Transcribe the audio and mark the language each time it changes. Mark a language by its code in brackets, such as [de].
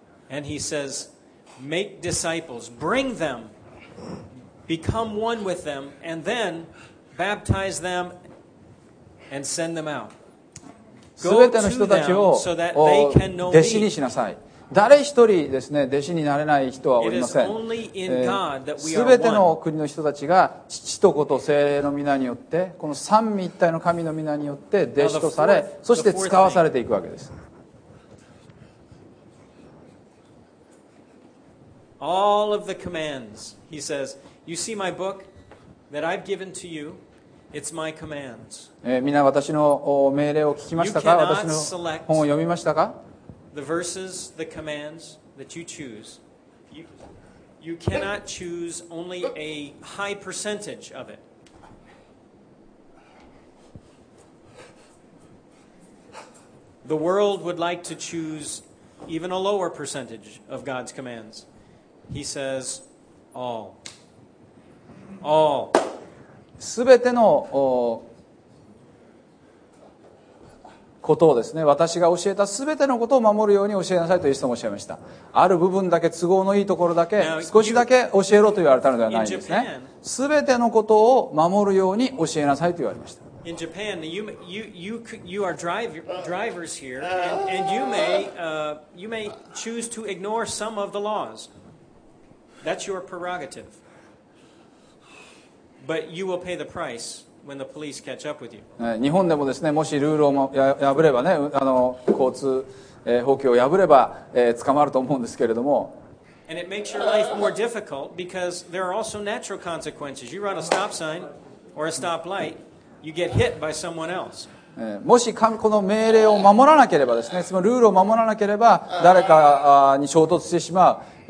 [en] And he says, make disciples, bring them, become one with them, and then baptize them and send them out. [ja] すべての人たちを弟子にしなさい。誰一人ですね、弟子になれない人はおりません。すべての国の人たちが父と子と聖霊の御名によって、この三位一体の神の御名によって弟子とされ、そして使わされていくわけです。 [en] All of the commands, he says, you see my book that I've given to you. It's my commands. [ja] 皆私の命令を聞きましたか？私の本を読みましたか？ [en] The verses, the commands that you choose, you cannot choose only a high percentage of it. The world would like to choose even a lower percentage of God's commands. He says, all. All. [ja] 全てのことをですね、私が教えた全てのことを守るように教えなさいとイエス様もおっしゃいました。ある部分だけ、都合のいいところだけ少しだけ教えろと言われたのではないんですね。全てのことを守るように教えなさいと言われました。 [en] In Japan, you are drivers here, and you may choose to ignore some of the laws. That's your prerogative. But you will pay the price when the police catch up with you. [ja] 日本でもですね、もしルールを破ればね、交通法規を破れば、捕まると思うんですけれども。 [en] And it makes your life more difficult because there are also natural consequences. You run a stop sign or a stop light, you get hit by someone else. [ja] もしこの命令を守らなければですね、つまりルールを守らなければ誰かに衝突してしまう。